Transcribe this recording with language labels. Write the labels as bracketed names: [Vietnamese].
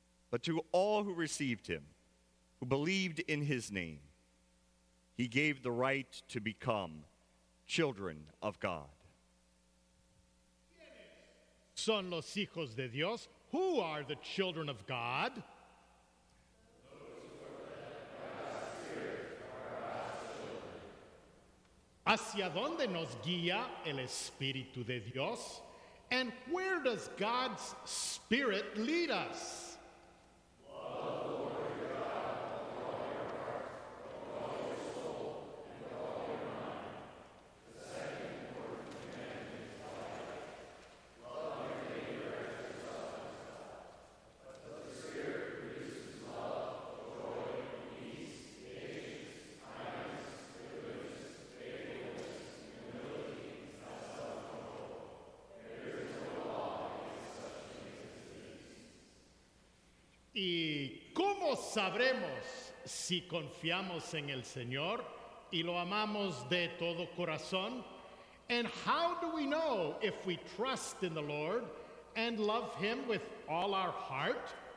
[English] But to all who received him, who believed in his name, he gave the right to become children of God. [Spanish] Son los hijos de Dios. [English] Who are the children of God? Those who are led by the Spirit are God's children. [Spanish] Hacia donde nos guía el Espíritu de Dios? [English] And where does God's Spirit lead us? Love the Lord your God with [Spanish] ¿Y cómo sabremos si confiamos en el Señor y lo amamos de todo corazón? [English] And how do we know if we trust in the Lord and love him with all our heart?